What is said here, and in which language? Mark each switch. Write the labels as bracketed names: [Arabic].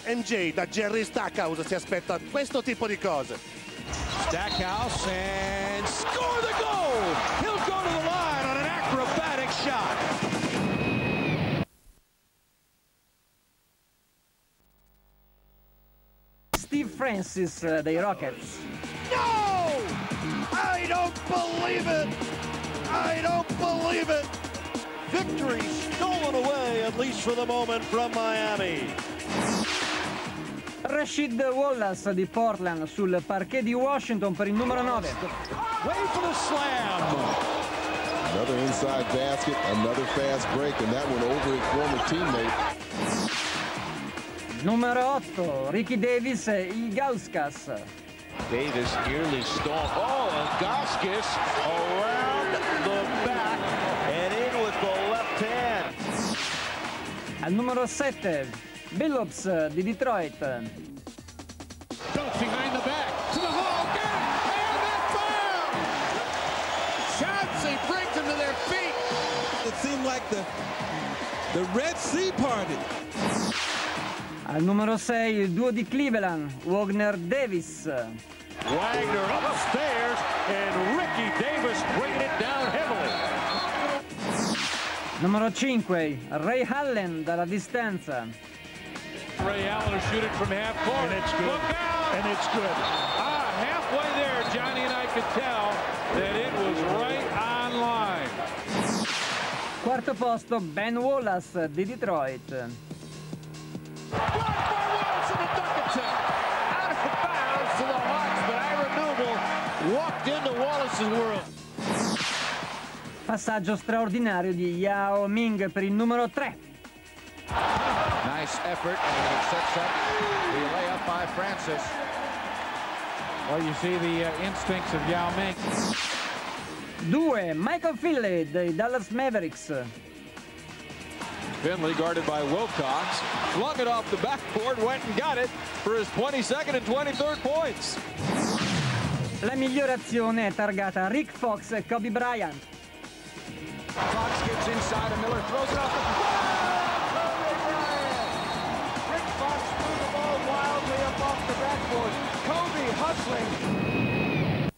[Italian] MJ da Jerry Stackhouse si aspetta questo tipo di cose. [English] Stackhouse and score the goal. He'll go to the line on an acrobatic shot. [Italian] Steve Francis dei Rockets. [English] No! I don't believe it! I don't believe it! Victory stolen away, at least for the moment, from Miami. [Italian] Rashid Wallace di Portland sul parquet di Washington per il numero 9. [English] Wait for the slam! Another inside basket, another fast break, and that one over his former teammate. [Italian] Numero 8, Ricky Davis e Igauskas. [English] Davis nearly stalled. Oh, Igauskas around the back and in with the left hand. [Italian] Al numero 7, Billups di Detroit. [English] Dunks behind the back, to the hole again, and that fire! Chauncey brings them to their feet. It seemed like the Red Sea parted. [Italian] Al numero 6, il duo di Cleveland, Wagner Davis. [English] Wagner upstairs and Ricky Davis bringing it down heavily. [Italian] Numero 5, Ray Allen dalla distanza. [English] Ray Allen will shoot it from half court. And it's good. Look out! And it's good. Ah, halfway there, Johnny and I could tell that it was right on line. [Italian] Quarto posto, Ben Wallace di Detroit. [English] Blocked by Wallace in the dunk attempt. Out of bounds to the Hawks, but Ira Noble walked into Wallace's world. [Italian] Passaggio straordinario di Yao Ming per il numero 3. [English] Nice effort, and it sets up the layup by Francis. Well, you see the instincts of Yao Ming. [Italian] 2, Michael Finley dei Dallas Mavericks. [English] Finley guarded by Wilcox, flung it off the backboard, went and got it for his 22nd and 23rd points. [Italian] La migliore azione è targata Rick Fox e Kobe Bryant. [English] Fox gets inside and Miller throws it off the... Rick Fox threw the ball wildly up off the backboard. Kobe hustling.